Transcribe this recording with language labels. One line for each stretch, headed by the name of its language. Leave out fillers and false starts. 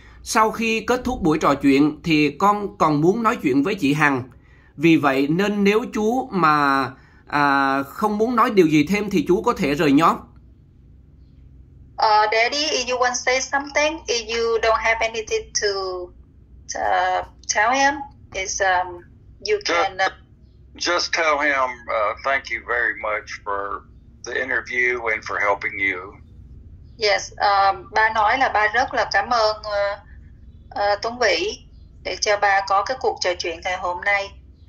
Vietnamese: Sau khi kết thúc buổi trò chuyện thì con còn muốn nói chuyện với chị Hằng. Vì vậy nên nếu chú mà không muốn nói điều gì thêm thì chú có thể rời nhóm.
English: Daddy, if you want to say something, if you don't have anything to tell him, is you can just tell him thank you very much for the interview and for helping you.
Vietnamese: Yes, ba nói là ba rất là cảm ơn Tuấn Vĩ để cho ba có cái cuộc trò chuyện ngày hôm nay.